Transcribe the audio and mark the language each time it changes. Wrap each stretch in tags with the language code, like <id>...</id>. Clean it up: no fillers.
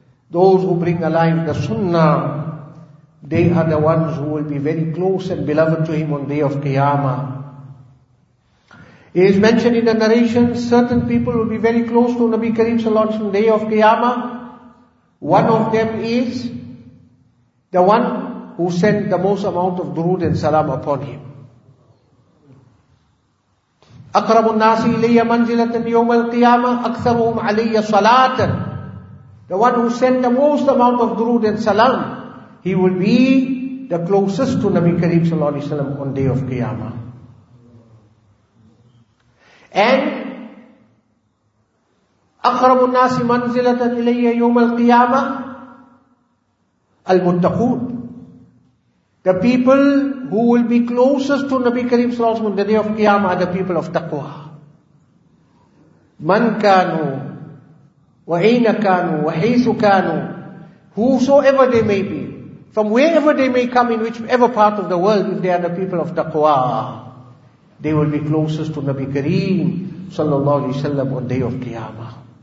<en>Those who bring alive the sunnah, they are the ones who will be very close and beloved to him on day of Qiyamah. It is mentioned in the narration, certain people will be very close to Nabi Karim sallallahu alaihi wasallam on day of Qiyamah, One of them is the one who sent the most amount of durood and salam upon him.</en> <ar>أقرب الناس إلي منزلة يوم القيامة أكثرهم علي صلاة.</ar> <en>The one who sent the most amount of durood and salam, he will be the closest to Nabi Kareem sallallahu alayhi wa sallam on day of Qiyamah.</en> <ar>And أقرب الناس منزلة إلي يوم القيامة المتقون.</ar> <en>The people who will be closest to Nabi Kareem sallallahu alayhi wa sallam on the day of Qiyamah are the people of taqwa.</en> <ar>Man kanu, wa aina kanu, wa haythu kanu,</ar> <en>whosoever they may be, from wherever they may come, in whichever part of the world, if they are the people of taqwa, they will be closest to Nabi Kareem sallallahu alayhi wa sallam on the day of Qiyamah.</en>